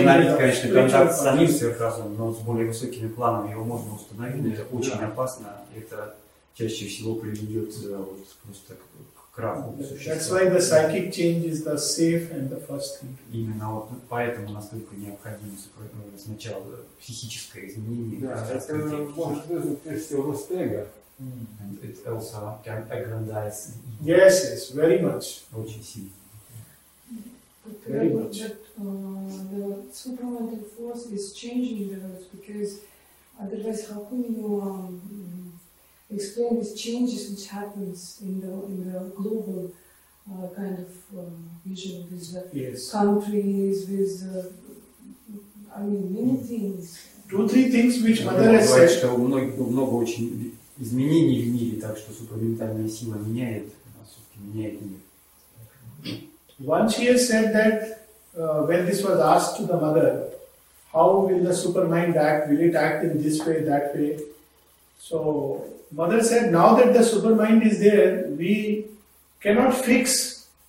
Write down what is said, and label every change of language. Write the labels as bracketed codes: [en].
[ru] Нельзя установить, конечно, контакт с самим сверхразумом, но с более высокими планами его можно установить, но это очень опасно. Это чаще всего приведет просто к краху существа. [en] That's why the psychic change is the safe and the first thing. [ru] Именно вот поэтому настолько необходимо сначала психическое изменение. Да, это может быть просто эго. [en] And it also can aggrandize. Yes, yes, very much. [ru] Очень сильно. [en] Very much. That the supramental force is changing the world, because otherwise how can you explain these changes which happens in the global kind of vision with the countries, with many things. Two, three things which Mother has said. [ru] Что много очень изменений в мире, так что супраментальная сила меняет мир. [en] One she has said that when this was asked to the mother, how will the supermind act? Will it act in this way, that way? So mother said, now that the supermind is there, we cannot fix